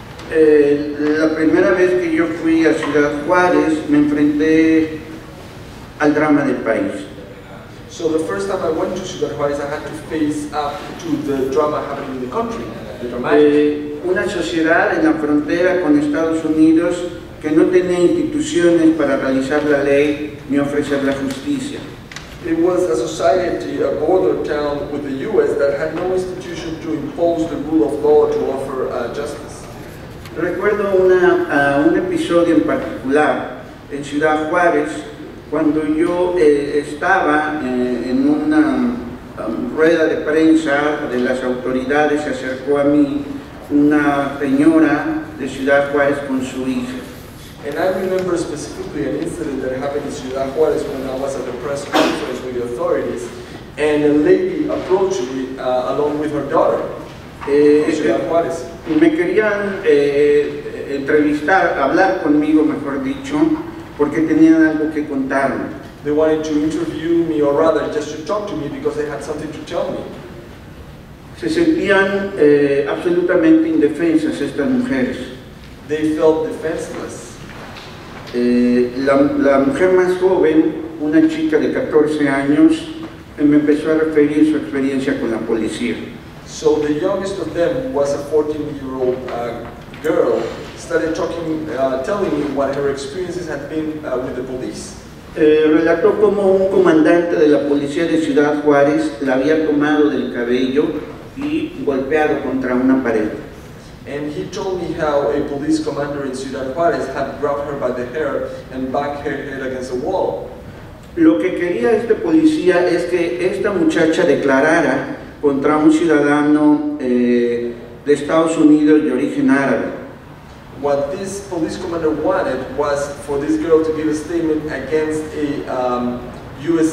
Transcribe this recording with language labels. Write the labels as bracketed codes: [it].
[es] La primera vez que yo fui a Ciudad Juárez, me enfrenté al drama del país. [en] So the first time I went to Ciudad Juárez, I had to face up to the drama happening in the country. The dramatic. [es] Una sociedad en la frontera con Estados Unidos que no tenía instituciones para realizar la ley ni ofrecer la justicia. [en] It was a society, a border town with the U.S. that had no institution to impose the rule of law to offer justice. [es] Recuerdo un episodio en particular en Ciudad Juárez. Cuando yo estaba en una rueda de prensa de las autoridades, se acercó a mí una señora de Ciudad Juárez con su hija. [en] And I remember specifically an incident that happened in Ciudad Juárez when I was at a press conference with the authorities, and a lady approached me along with her daughter in Ciudad Juárez. [es] Me querían entrevistar, hablar conmigo, mejor dicho, porque tenían algo que contarme. [en] They wanted to interview me, or rather, just to talk to me, because they had something to tell me. [es] Se sentían absolutamente indefensas estas mujeres. [en] They felt defenseless. [es] La mujer más joven, una chica de 14 años, me empezó a referir su experiencia con la policía. [en] So the youngest of them was a 14-year-old girl. Started talking, telling me what her experiences had been with the police. [es] Relató cómo un comandante de la policía de Ciudad Juárez la había tomado del cabello y golpeado contra una pared. [en] And he told me how a police commander in Ciudad Juárez had grabbed her by the hair and banged her head against a wall. [es] Lo que quería este policía es que esta muchacha declarara contra un ciudadano de Estados Unidos de origen árabe. [en] What this police commander wanted was for this girl to give a statement against a U.S.